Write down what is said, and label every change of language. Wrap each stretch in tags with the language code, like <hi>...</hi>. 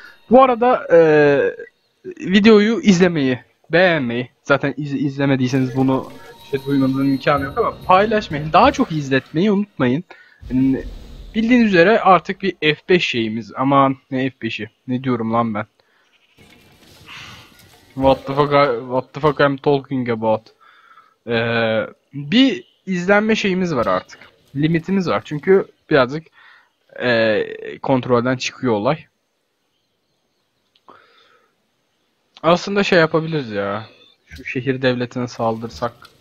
<tr>Bu arada videoyu izlemeyi, beğenmeyi, zaten izlemediyseniz bunu işte duymanızın imkanı yok ama paylaşmayın. Daha çok izletmeyi unutmayın. Yani bildiğiniz üzere artık bir F5 şeyimiz. Aman ne F5'i? Ne diyorum lan ben?</tr> <en>What the fuck I'm talking about?</en> <tr>Bir izlenme şeyimiz var artık. Limitimiz var. Çünkü birazcık kontrolden çıkıyor olay. Aslında şey yapabiliriz ya. Şu şehir devletine saldırsak.</tr>